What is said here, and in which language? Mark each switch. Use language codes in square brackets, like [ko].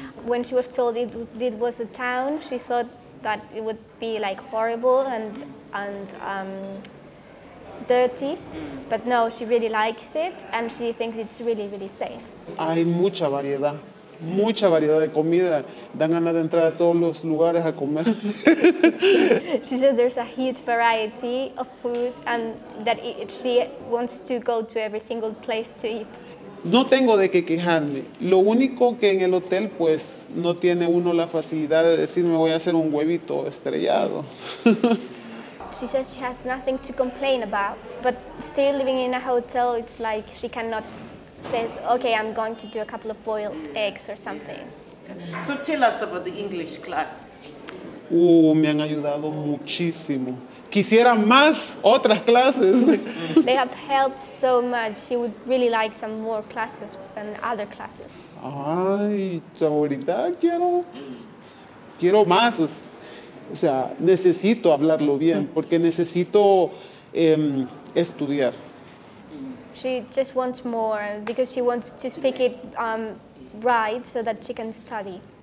[en] When she was told it was a town, she thought that it would be like horrible and dirty, but no, she really likes it and she thinks it's really, really safe. [es] Hay mucha variedad. Mucha variedad de comida. Dan ganas de entrar a todos los lugares a comer. [en] She said there's a huge variety of food and that she wants to go to every single place to eat. [es] No tengo de qué quejarme. Lo único que en el hotel, pues, no tiene uno la facilidad de decir me voy a hacer un huevito estrellado. [en] She says she has nothing to complain about, but still living in a hotel, it's like she cannot... says, okay, I'm going to do a couple of boiled eggs or something. So tell us about the English class. [es] Me han ayudado muchísimo. Quisiera más otras clases. [en] They have helped so much. She would really like some more classes than other classes. [es] Ay, ahorita quiero más. O sea, necesito hablarlo bien porque necesito estudiar. [en] She just wants more because she wants to speak it right so that she can study.